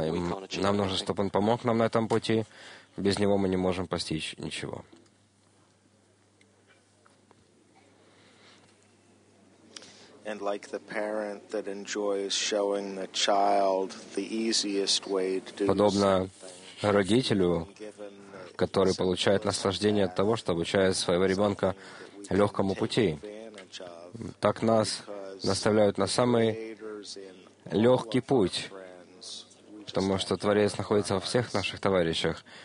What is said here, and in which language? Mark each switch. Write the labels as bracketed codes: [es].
[ru] Нам нужно, чтобы Он помог нам на этом пути. Без Него мы не можем постичь ничего. [en] And like the parent that enjoys showing the child the easiest way to do something. [ru] Подобно родителю, который получает наслаждение от того, что обучает своего ребенка легкому пути, так нас наставляют на самый легкий путь, потому что Творец находится во всех наших товарищах.